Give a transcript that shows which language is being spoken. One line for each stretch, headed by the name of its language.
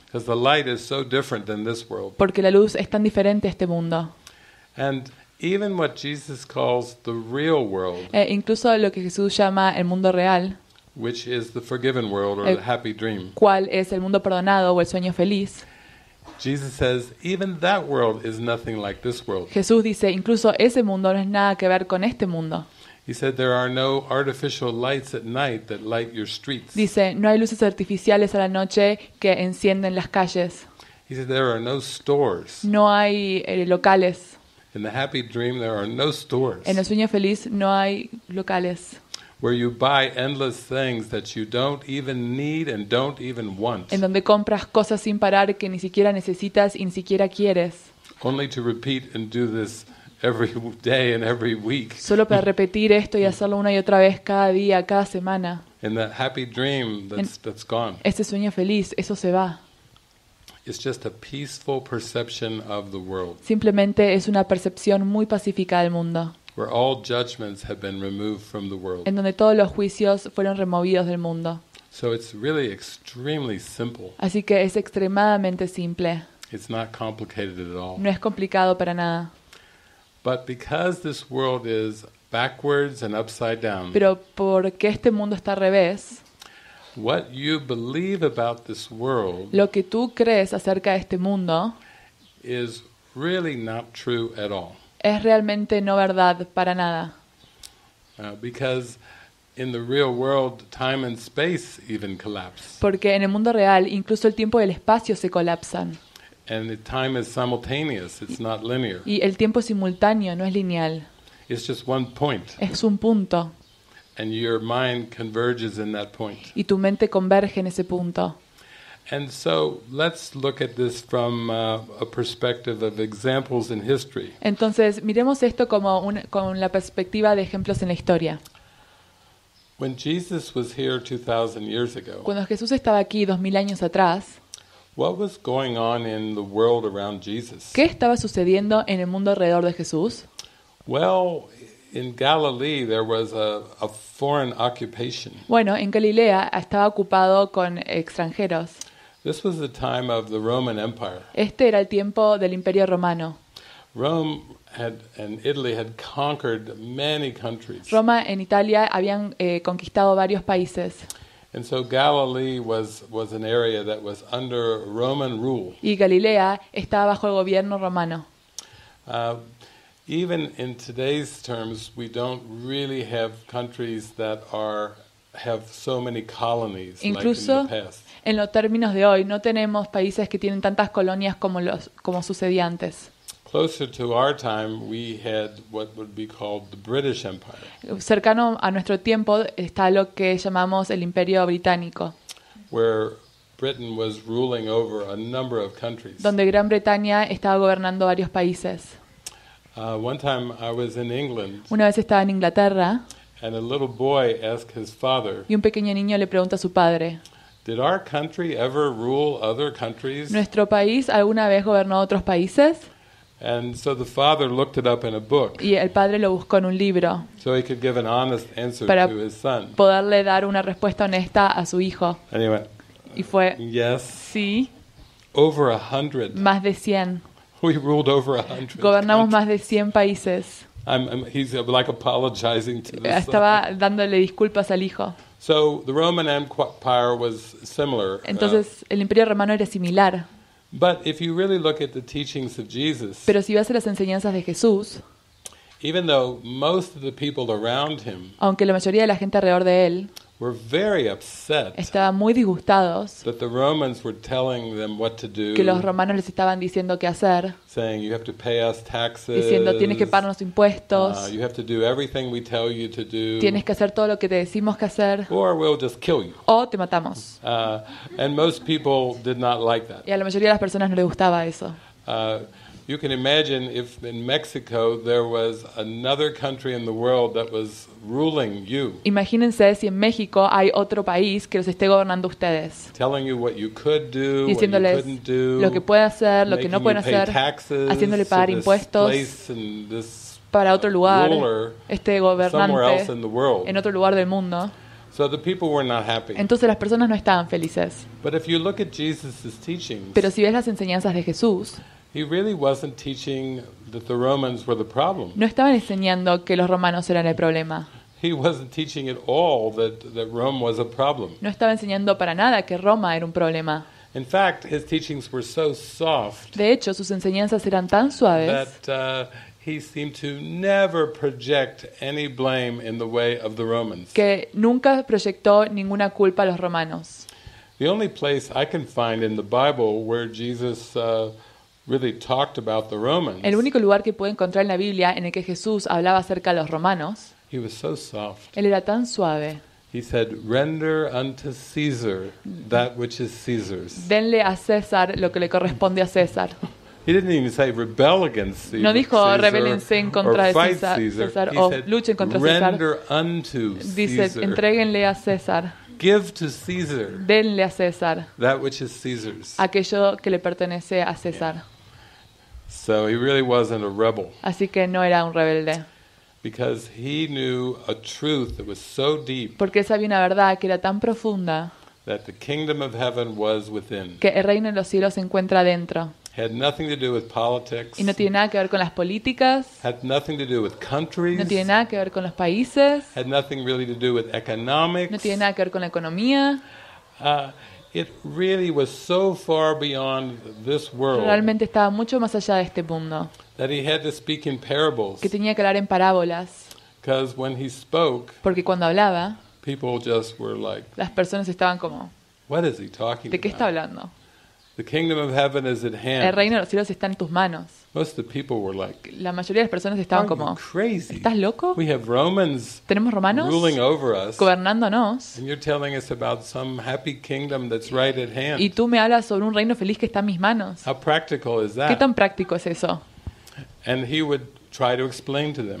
English: Because the light is so different than this world.
Spanish: Porque la luz es tan diferente a este mundo.
English: And even what Jesus calls the real world.
Spanish: Incluso lo que Jesús llama el mundo real.
English: Which is the forgiven world or the happy dream.
Spanish: ¿Cuál es el mundo perdonado o el sueño feliz?
English: Jesus says even that world is nothing like this world.
Spanish: Jesús dice incluso ese mundo no es nada que ver con este mundo.
English: He said there are no artificial lights at night that light your streets.
Spanish: Dice no hay luces artificiales a la noche que encienden las calles.
English: He said there are no stores.
Spanish: No hay locales.
English: In the happy dream there are no stores.
Spanish: En el sueño feliz no hay locales.
English: Where you buy endless things that you don't even need and don't even want.
Spanish: En donde compras cosas sin parar que ni siquiera necesitas y ni siquiera quieres.
English: Only to repeat and do this every day and every week.
Spanish: Solo para repetir esto y hacerlo una y otra vez cada día, cada semana.
English: In that happy dream that's gone.
Spanish: Este sueño feliz, eso se va.
English: It's just a peaceful perception of the world.
Spanish: Simplemente es una percepción muy pacífica del mundo.
English: Where all judgments have been removed from the world.
Spanish: En donde todos los juicios fueron removidos del mundo.
English: So it's really extremely simple.
Spanish: Así que es extremadamente simple.
English: It's not complicated at all.
Spanish: No es complicado para nada.
English: But because this world is backwards and upside down.
Spanish: Pero porque este mundo está al revés.
English: What you believe about this world.
Spanish: Lo que tú crees acerca de este mundo.
English: Is really not true at all.
Spanish: Es realmente no verdad para nada.
English: Because in the real world, time and space even collapse.
Spanish: Porque en el mundo real, incluso el tiempo y el espacio se colapsan.
English: And the time is simultaneous, it's not linear.
Spanish: Y el tiempo es simultáneo, no es lineal.
English: It's just one point.
Spanish: Es un punto.
English: And your mind converges in that point.
Spanish: Y tu mente converge en ese punto.
English: And so let's look at this from a perspective of examples in history.
Spanish: Entonces miremos esto como con la perspectiva de ejemplos en la historia.
English: When Jesus was here 2,000 years ago.
Spanish: Cuando Jesús estaba aquí 2,000 años atrás.
English: What was going on in the world around Jesus?
Spanish: ¿Qué estaba sucediendo en el mundo alrededor de Jesús?
English: Well, in Galilee there was a foreign occupation.
Spanish: Bueno, en Galilea estaba ocupado con extranjeros.
English: This was the time of the Roman Empire.
Spanish: Este era el tiempo del Imperio Romano.
English: Rome had and Italy had conquered many countries.
Spanish: Roma en Italia habían conquistado varios países.
English: And so Galilee was an area that was under Roman rule.
Spanish: Y Galilea estaba bajo el gobierno romano.
English: Even in today's terms, we don't really have countries that are have so many colonies.
Spanish: Incluso
English: like in the past.
Spanish: En los términos de hoy, no tenemos países que tienen tantas colonias como sucedía antes.
English: Closer to our time, we had what would be called the British Empire.
Spanish: Cercano a nuestro tiempo está lo que llamamos el Imperio Británico.
English: Where Britain was ruling over a number of countries.
Spanish: Donde Gran Bretaña estaba gobernando varios países.
English: One time I was in England.
Spanish: Una vez estaba en Inglaterra.
English: And a little boy asked his father.
Spanish: Y un pequeño niño le pregunta a su padre.
English: Did our country ever rule other countries?
Spanish: ¿Nuestro país alguna vez gobernó otros países?
English: And so the father looked it up in a book.
Spanish: Y el padre lo buscó en un libro.
English: So he could give an honest answer to his son.
Spanish: Para poderle dar una respuesta honesta a su hijo.
English: Anyway,
Spanish: y fue,
English: yes,
Spanish: sí,
English: over 100.
Spanish: Más de 100.
English: We ruled over 100.
Spanish: Gobernamos más de 100 países.
English: He's like apologizing to the son.
Spanish: Estaba dándole disculpas al hijo.
English: So the Roman Empire was similar.
Spanish: Entonces el Imperio Romano era similar.
English: But if you really look at the teachings of Jesus,
Spanish: pero si vas a las enseñanzas de Jesús,
English: even though most of the people around him,
Spanish: aunque la mayoría de la gente alrededor de él,
English: were very upset,
Spanish: estaban muy disgustados,
English: that the Romans were telling them what to do,
Spanish: que los romanos les estaban diciendo qué hacer,
English: saying you have to pay us taxes,
Spanish: diciendo tienes que pagarnos impuestos,
English: you have to do everything we tell you to do,
Spanish: tienes que hacer todo lo que te decimos que hacer,
English: or we'll just kill you,
Spanish: o te matamos,
English: and most people did not like that,
Spanish: y a la mayoría de las personas no les gustaba eso.
English: You can imagine if in Mexico there was another country in the world that was ruling you.
Spanish: Imagínense si en México hay otro país que los esté gobernando ustedes.
English: Telling you what you could do,
Spanish: diciéndoles
English: what you couldn't do,
Spanish: lo que puede hacer, lo que no puede hacer,
English: taxes,
Spanish: haciéndole pagar impuestos
English: this,
Spanish: para otro lugar,
English: ruler,
Spanish: este gobernante
English: somewhere else in the world.
Spanish: En otro lugar del mundo.
English: So the people were not happy.
Spanish: Entonces las personas no estaban felices.
English: But if you look at Jesus's teachings,
Spanish: pero si ves las enseñanzas de Jesús,
English: he really wasn't teaching that the Romans were the problem.
Spanish: No estaban enseñando que los romanos eran el problema.
English: He wasn't teaching at all that Rome was a problem.
Spanish: No estaba enseñando para nada que Roma era un problema.
English: In fact, his teachings were so soft.
Spanish: De hecho, sus enseñanzas eran tan suaves.
English: That he seemed to never project any blame in the way of the Romans.
Spanish: Que nunca proyectó ninguna culpa a los romanos.
English: The only place I can find in the Bible where Jesus really talked about the Romans.
Spanish: El único lugar que puedo encontrar en la Biblia en el que Jesús hablaba acerca de los romanos.
English: He was so soft.
Spanish: Él era tan suave.
English: He said, "Render unto Caesar that which is Caesar's."
Spanish: Denle a César lo que le corresponde a César.
English: He didn't even say rebel against Caesar.
Spanish: No dijo rebelense en contra de César. César o luchen contra César.
English: Render unto Caesar.
Spanish: Dice, entréguenle a César.
English: Give to Caesar.
Spanish: Denle a César.
English: That which is Caesar's.
Spanish: Aquello que le pertenece a César.
English: So he really wasn't a rebel.
Spanish: Así que no era un rebelde.
English: Because he knew a truth that was so deep.
Spanish: Porque sabía una verdad que era tan profunda.
English: That the kingdom of heaven was within.
Spanish: Que el reino de los cielos se encuentra dentro.
English: Had nothing to do with politics.
Spanish: Y no tiene nada que ver con las políticas.
English: Had nothing to do with countries.
Spanish: No tiene nada que ver con los países.
English: Had nothing really to do with economics.
Spanish: No tiene nada que ver con la economía.
English: It really was so far beyond this world.
Spanish: Realmente estaba mucho más allá de este mundo.
English: That he had to speak in parables.
Spanish: Que tenía que hablar en parábolas.
English: Because when he spoke,
Spanish: porque cuando hablaba,
English: people just were like,
Spanish: las personas estaban como,
English: what is he talking about?
Spanish: ¿De qué está hablando?
English: The kingdom of heaven is at hand.
Spanish: El reino de los cielos está en tus manos.
English: Most of the people were like,
Spanish: la mayoría de las personas estaban como, ¿estás loco?
English: We have Romans,
Spanish: tenemos romanos
English: ruling over us,
Spanish: gobernándonos.
English: And you're telling us about some happy kingdom that's right at hand.
Spanish: Y tú me hablas sobre un reino feliz que está en mis manos.
English: How practical is that?
Spanish: ¿Qué tan práctico es eso?
English: And he would try to explain to them.